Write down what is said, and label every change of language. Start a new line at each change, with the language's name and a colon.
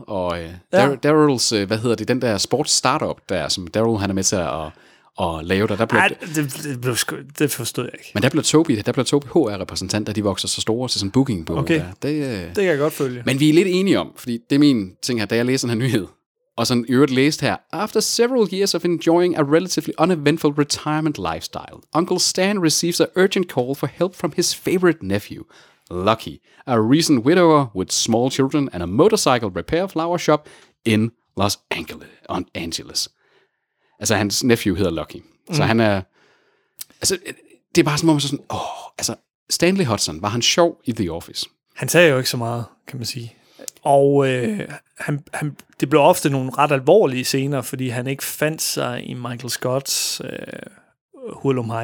Danish: Og Daryls, hvad hedder det, den der sports startup, der, som Daryl han er med til at lave der. Det forstod jeg ikke. Men der blev Toby HR-repræsentant, da de vokser så store til sådan en bookingbureau. Okay, der. Det kan jeg godt følge. Men vi er lidt enige om, fordi det er min ting her, da jeg læser den her nyhed. Og sådan i øvrigt læst her,
English: after several years of enjoying a relatively uneventful retirement lifestyle, Uncle Stan receives an urgent call for help from his favorite nephew, Lucky, a recent widower with small children and a motorcycle repair flower shop in Los Angeles.
Danish: Altså, hans nephew hedder Lucky. Så han er... Altså, det er bare sådan, hvor man sådan... Altså, Stanley Hudson, var han sjov i The Office? Han sagde jo ikke så meget, kan man sige. Og han, det blev ofte nogle ret alvorlige scener, fordi han ikke fandt sig i Michael Scotts hulumhej.